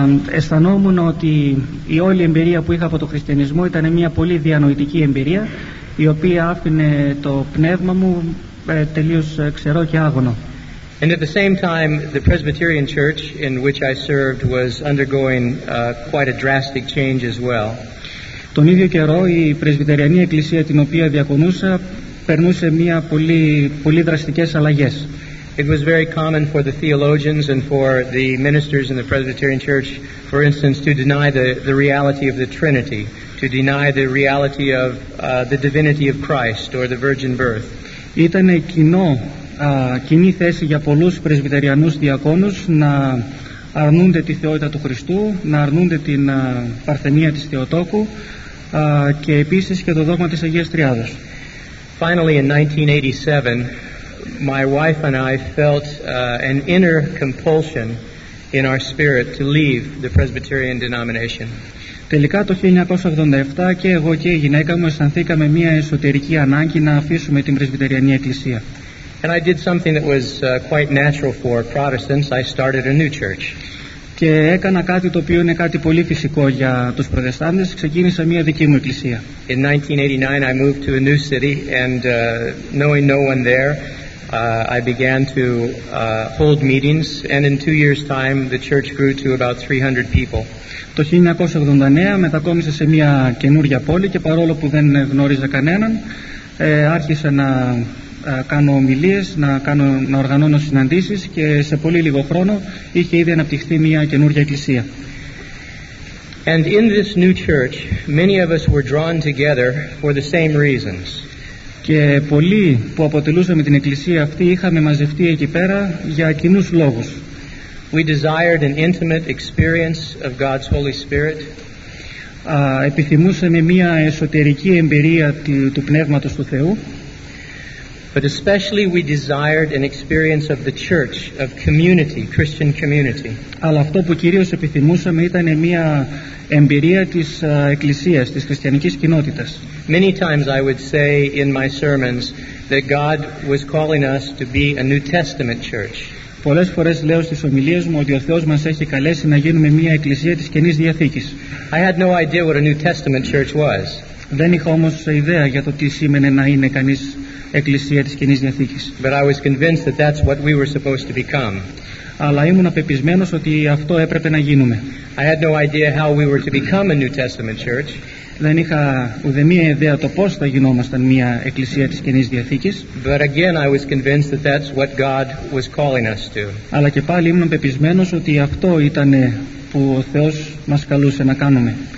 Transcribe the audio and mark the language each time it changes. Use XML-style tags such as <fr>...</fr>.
<el>Αισθανόμουν ότι η όλη εμπειρία που είχα από το χριστιανισμό ήταν μια πολύ διανοητική εμπειρία, η οποία άφηνε το πνεύμα μου τελείως ξερό και άγωνο.</el> <en>And at the same time, the Presbyterian Church in which I served was undergoing quite a drastic change as well.</en> <el>Τον ίδιο καιρό η Πρεσβυτεριανή Εκκλησία την οποία διακονούσα περνούσε μια πολύ, πολύ δραστικές αλλαγές.</el> <en>It was very common for the theologians and for the ministers in the Presbyterian Church, for instance, to deny the reality of the Trinity, to deny the reality of the divinity of Christ or the virgin birth.</en> <el>Ήταν κοινό, κοινή θέση για πολλούς Πρεσβυτεριανούς διακόνους να αρνούνται τη θεότητα του Χριστού, να αρνούνται την παρθενία της Θεοτόκου και επίσης και το δόγμα της Αγίας Τριάδος.</el> <en>Finally, in 1987, my wife and I felt an inner compulsion in our spirit to leave the Presbyterian denomination.</en> <el>Τελικά το 1987 και εγώ και η γυναίκα μου αισθανθήκαμε μια εσωτερική ανάγκη να αφήσουμε την Πρεσβυτεριανή Εκκλησία.</el> <en>And I did something that was quite natural for Protestants. I started a new church.</en> <el>Και έκανα κάτι το οποίο είναι κάτι πολύ φυσικό για τους Προτεστάντες. Ξεκίνησα μια δική μου εκκλησία.</el> <en>In 1989 I moved to a new city and knowing no one there, I began to hold meetings and in 2 years time the church grew to about 300 people.</en> <el>Το 1989 μετακόμισα σε μια καινούργια πόλη και παρόλο που δεν γνώριζα κανέναν, άρχισα να κάνω ομιλίες, να οργανώνω συναντήσεις και σε πολύ λίγο χρόνο είχε ήδη αναπτυχθεί μια καινούργια εκκλησία.</el> <en>And in this new church, many of us were drawn together for the same reasons.</en> <el>Και πολλοί που αποτελούσαμε την εκκλησία αυτή είχαμε μαζευτεί εκεί πέρα για κοινούς λόγους.</el> <en>We desired an intimate experience of God's Holy Spirit.</en> <el>Επιθυμούσαμε μια εσωτερική εμπειρία του Πνεύματος του Θεού.</el> <en>But especially we desired an experience of the church, of community, Christian community.</en> <el>Αλλά αυτό που κυρίως επιθυμούσαμε ήταν μια εμπειρία της εκκλησίας, της χριστιανικής κοινότητας.</el> <en>Many times I would say in my sermons that God was calling us to be a New Testament church.</en> <el>Πολλές φορές λέω στις ομιλίες μου ότι ο Θεός μας έχει καλέσει να γίνουμε μια εκκλησία της Καινής Διαθήκης.</el> <en>I had no idea what a New Testament church was.</en> <el>Δεν είχα όμως ιδέα για το τι σήμαινε να είναι κανείς Εκκλησία της Καινής Διαθήκης.</el> <en>But I was convinced that that's what we were supposed to become.</en> <el>Αλλά ήμουν απεπισμένος ότι αυτό έπρεπε να γίνουμε.</el> <en>I had no idea how we were to become a New Testament church.</en> <el>Δεν είχα ουδεμία ιδέα το πώς θα γινόμασταν μια Εκκλησία της Καινής Διαθήκης.</el> <en>But again, I was convinced that that's what God was calling us to.</en> <el>Αλλά και πάλι ήμουν απεπισμένος ότι αυτό ήταν που ο Θεός μας καλούσε να κάνουμε.</el>